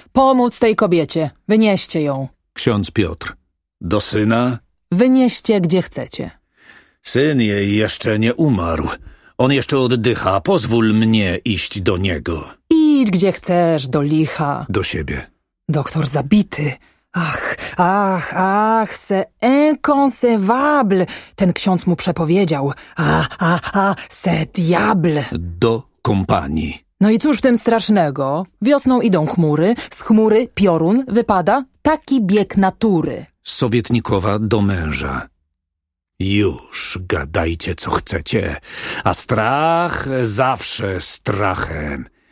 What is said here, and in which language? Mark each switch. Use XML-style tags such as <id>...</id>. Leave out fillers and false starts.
<pl>Pomóc tej kobiecie, wynieście ją. Ksiądz Piotr. Do syna? Wynieście, gdzie chcecie. Syn jej jeszcze nie umarł. On jeszcze oddycha, pozwól mnie iść do niego. Idź, gdzie chcesz, do licha. Do siebie. Doktor zabity.</pl> <fr>Ach, ach, ach, c'est inconcevable.</fr> <pl>Ten ksiądz mu przepowiedział.</pl> <fr>Ah, ah, ah, c'est diable.</fr> <pl>Do kompanii. No i cóż w tym strasznego? Wiosną idą chmury, z chmury piorun wypada. Taki bieg natury. Sowietnikowa do męża. Już gadajcie, co chcecie, a strach zawsze strachem.</pl>